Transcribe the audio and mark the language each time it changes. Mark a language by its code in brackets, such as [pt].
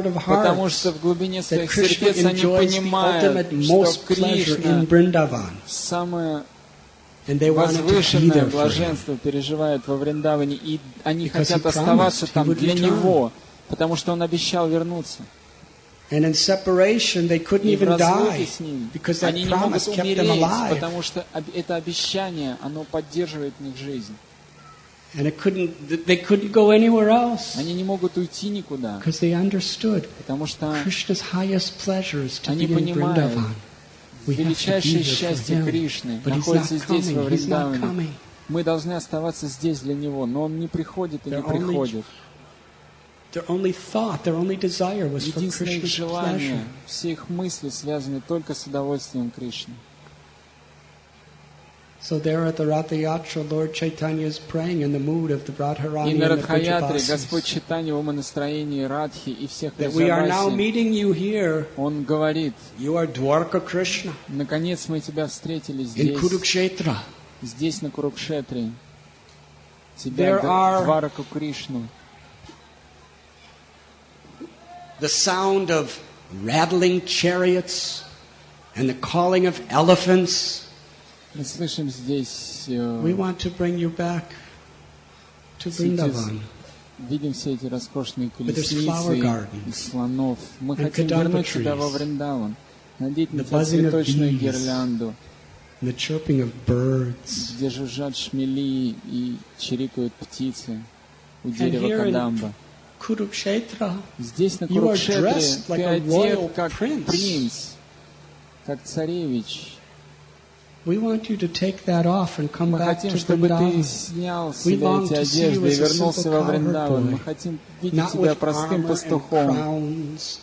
[ru] Потому что в глубине своих сердец они понимают, что Кришна самое возвышенное блаженство переживает во Вриндаване, и они хотят оставаться там для Него, потому что Он обещал вернуться. [en] And in separation, they couldn't even die because that promise kept them alive. [ru] Потому что это обещание, оно поддерживает в них жизнь. [en] And they couldn't go anywhere else. [ru] Они не могут уйти никуда. [en] Because they understood. [ru] Потому что [en] Krishna's highest pleasure is to be in Vrindavan. [ru] Величайшее счастье Кришны находится здесь, во Вриндаване. Мы должны оставаться здесь для Него, но Он не приходит и не приходит. [en] Their only thought, their only desire was for Krishna's pleasure. [ru] Желание, все их мысли связаны только с удовольствием Кришны. [en] So there at the Ratha Yatra, Lord Chaitanya is praying in the mood of the Radharani and the Vrajavasis. [ru] Господь Чайтанья в настроении Радхи и всех [en] Радхи. That we are now meeting you here. [ru] Он говорит. [en] You are Dwarka Krishna. [ru] Наконец мы тебя встретили здесь. [en] In Kurukshetra. [ru] Здесь на Курукшетре. Тебя Дварака Кришну. [en] The sound of rattling chariots and the calling of elephants. [ru] Мы слышим здесь. [en] We want to bring you back to Vrindavan. [ru] Видим все эти роскошные колесницы и слонов. Мы хотим вернуть тебя во Вриндаван, надеть на тебя цветочную гирлянду. [en] The chirping of birds. [ru] Где жужжат шмели и чирикают птицы у дерева кадамба. [en] Kurukshetra. [ru] Здесь, на Курукшетре, ты одет как принц, как царевич. [en] We want you to take that off and come back to Vrindavan. [ru] Мы хотим, чтобы ты снял с себя эти одежды и вернулся во Вриндаван. Мы хотим видеть тебя простым пастухом.